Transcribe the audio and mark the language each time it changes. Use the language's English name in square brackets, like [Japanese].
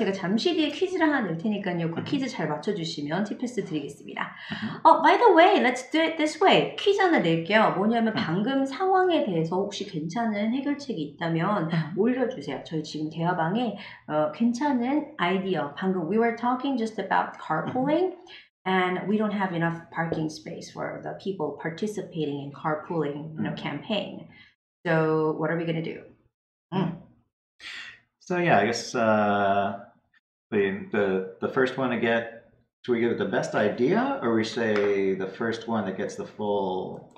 [Korean] 제가 잠시 뒤에 퀴즈를 하나 낼 테니까요. 그 퀴즈 잘 맞춰주시면 티패스 드리겠습니다. [English] By the way, let's do it this way. [Korean] 퀴즈 하나 낼게요. 뭐냐면 방금 상황에 대해서 혹시 괜찮은 해결책이 있다면 올려주세요. 저희 지금 대화방에 괜찮은 아이디어. [English] 방금 we were talking just about carpooling. And we don't have enough parking space for the people participating in carpooling campaign. So what are we going to do? So yeah, I guess the first one to get, should we give it the best idea, or we say the first one that gets the full